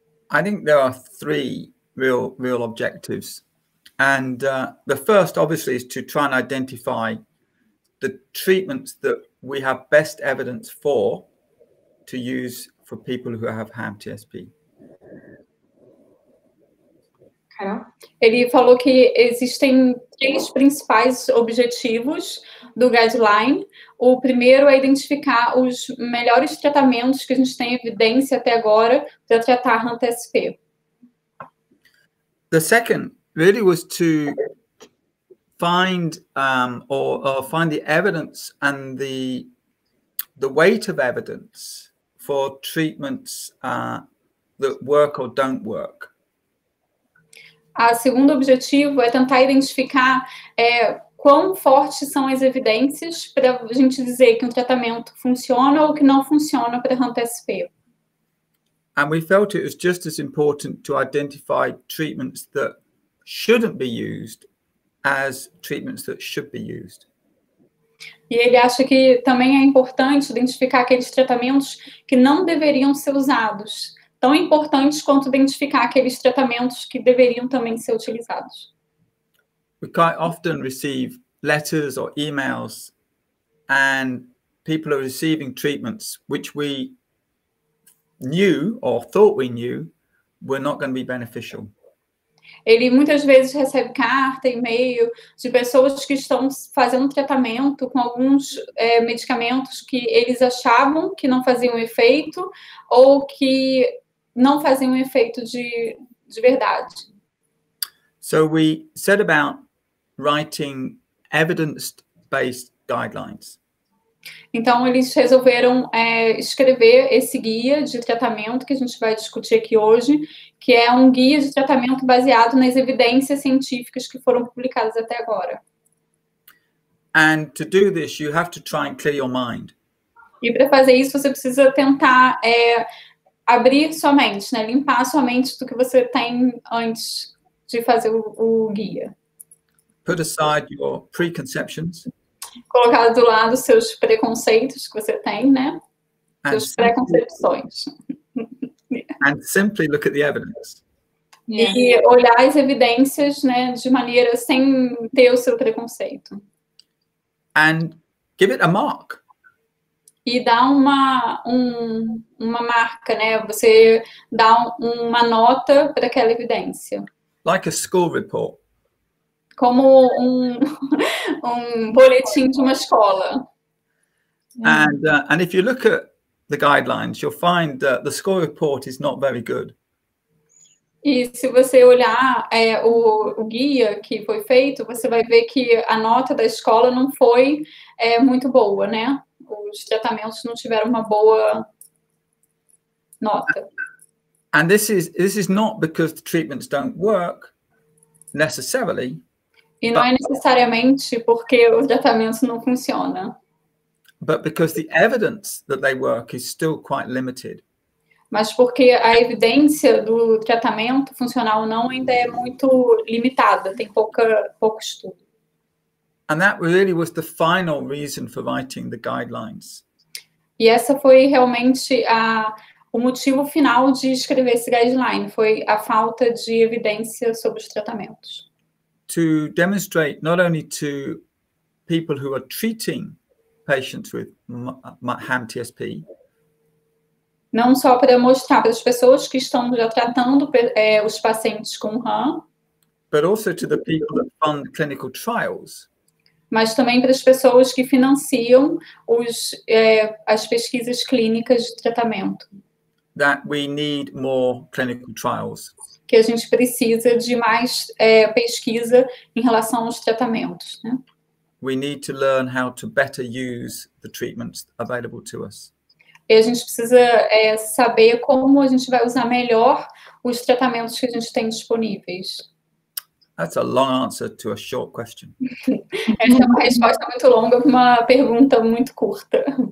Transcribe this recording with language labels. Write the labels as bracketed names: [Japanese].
[English] I think there are three real objectives. And the first, obviously, is to try and identify the treatments that we have best evidence for to use for people who have HAM-TSP. [Portuguese] Ele falou que existem três principais objetivos do guideline. O primeiro é identificar os melhores tratamentos que a gente tem evidência até agora para tratar HAM-TSP. [English] The second really was to find or find the evidence and the weight of evidence for treatments that work or don't work. [Portuguese] A segundo objetivo é tentar identificar quão fortes são as evidências para a gente dizer que um tratamento funciona ou que não funciona para HAM-TSP. [English] And we felt it was just as important to identify treatments that shouldn't be used as treatments that should be used. [Portuguese] E ele acha que também é importante identificar aqueles tratamentos que não deveriam ser usados. Tão importantes quanto identificar aqueles tratamentos que deveriam também ser utilizados. [English] We quite often receive letters or emails and people are receiving treatments which we knew or thought we knew were not going to be beneficial. [Portuguese] Ele muitas vezes recebe carta, e-mail de pessoas que estão fazendo tratamento com alguns medicamentos que eles achavam que não faziam efeito ou que não faziam efeito de verdade. [English] So we set about writing evidence-based guidelines. [Portuguese] Então, eles resolveram escrever esse guia de tratamento que a gente vai discutir aqui hoje, que é um guia de tratamento baseado nas evidências científicas que foram publicadas até agora. [English] And to do this, you have to try and clear your mind. [Portuguese] E para fazer isso, você precisa tentar abrir sua mente, né? Limpar sua mente do que você tem antes de fazer o guia. [English] Put aside your preconceptions. [Portuguese] Colocar do lado seus preconceitos que você tem, né? Seus preconceições. [English] And simply look at the evidence. [Portuguese] Yeah. E olhar as evidências, né, de maneira sem ter o seu preconceito. [English] And give it a mark. [Portuguese] E dá uma marca, né? Você dá uma nota para aquela evidência. [English] Like a school report. [Portuguese] Como um boletim de uma escola. [English] And if you look at the guidelines, you'll find that the score report is not very good. [Portuguese] E se você olhar o guia que foi feito, você vai ver que a nota da escola não foi muito boa, né? Os tratamentos não tiveram uma boa nota. [English] And this is not because the treatments don't work necessarily. [Portuguese] E não é necessariamente porque o tratamento não funciona. [English] But because the evidence that they work is still quite limited. [Portuguese] Mas porque a evidência do tratamento funcional não ainda é muito limitada, tem pouco estudo. [English] And that really was the final reason for writing the guidelines. [Portuguese] E essa foi realmente o motivo final de escrever esse guideline, foi a falta de evidência sobre os tratamentos. [English] To demonstrate not only to people who are treating patients with HAM-TSP. [Portuguese] Não só para mostrar para as pessoas que estão já tratando os pacientes com HAM. [English] But also to the people that fund clinical trials. [Portuguese] Mas também para as pessoas que financiam as pesquisas clínicas de tratamento. [English] That we need more clinical trials. [Portuguese] Que a gente precisa de mais pesquisa em relação aos tratamentos, né? [English] We need to learn how to better use the treatments available to us. [Portuguese] E a gente precisa saber como a gente vai usar melhor os tratamentos que a gente tem disponíveis. [English] That's a long answer to a short question. [Portuguese] Essa é uma resposta muito longa para uma pergunta muito curta.